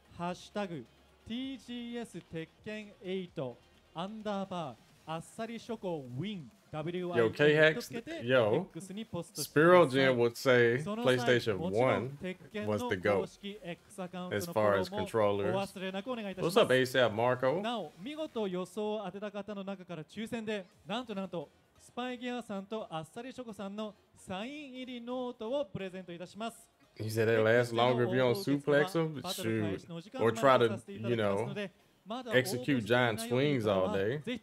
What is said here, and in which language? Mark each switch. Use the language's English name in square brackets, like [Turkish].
[English] Hashtag TGS Tekken 8 underbar Asarishoko win. Yo, K Hex, yo. Spiro Jin would say PlayStation 1 was the GOAT as far as controllers. What's up, ASAP Marco? [Japanese] Now, 見事予想を当てた方の中から抽選で、なんとなんと、スパイギアさんとアッサリショコさんのサイン入りノートをプレゼントいたします。 [English] He said it lasts longer if you don't suplex him? Shoot. Or try to, you know, execute giant swings all day.